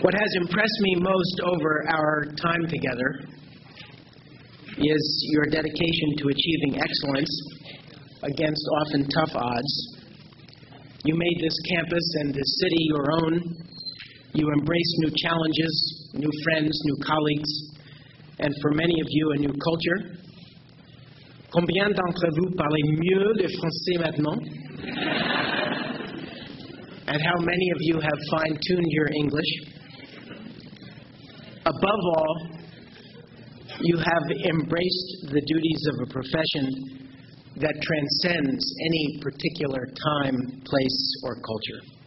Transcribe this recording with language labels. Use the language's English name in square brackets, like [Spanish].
[English] What has impressed me most over our time together is your dedication to achieving excellence against often tough odds. You made this campus and this city your own. You embraced new challenges, new friends, new colleagues, and for many of you, a new culture. [French] Combien d'entre vous parlez mieux le français maintenant? [English] And how many of you have fine-tuned your English? Above all, you have embraced the duties of a profession that transcends any particular time, place, or culture.